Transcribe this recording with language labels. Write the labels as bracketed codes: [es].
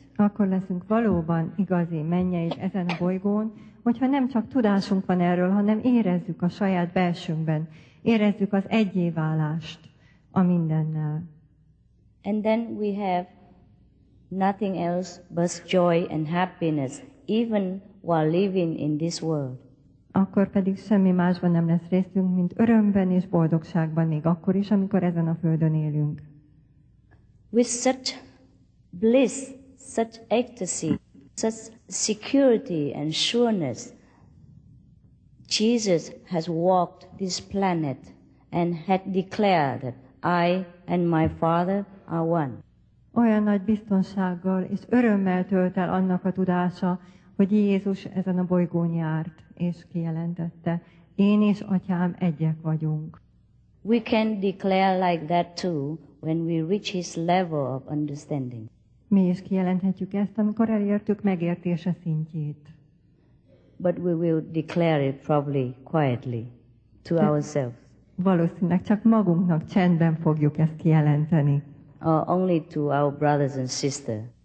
[hu] Akkor leszünk valóban igazi mennyeik ezen a bolygón, hogyha nem csak tudásunk van erről, hanem érezzük a saját belsőnkben, érezzük az egyéválást a mindennel. [en] And then we have nothing else but joy and happiness, even while living in this world. [hu] Akkor pedig semmi másban nem lesz részünk, mint örömben és boldogságban, még akkor is, amikor ezen a földön élünk. [en] With such bliss, such ecstasy, such security and sureness, Jesus has walked this planet and had declared that I and my Father are one. [hu] Olyan nagy biztonsággal és örömmel tölt el annak a tudása, hogy Jézus ezen a bolygón járt, és kijelentette, én és Atyám egyek vagyunk. [en] We can declare like that too when we reach his level of understanding. [hu] Mi is kijelenthetjük ezt, amikor elértük megértése szintjét. [en] But we will declare it probably quietly to ourselves. [hu] Valószínűleg csak magunknak csendben fogjuk ezt kijelenteni. [en] Only to our brothers and sisters.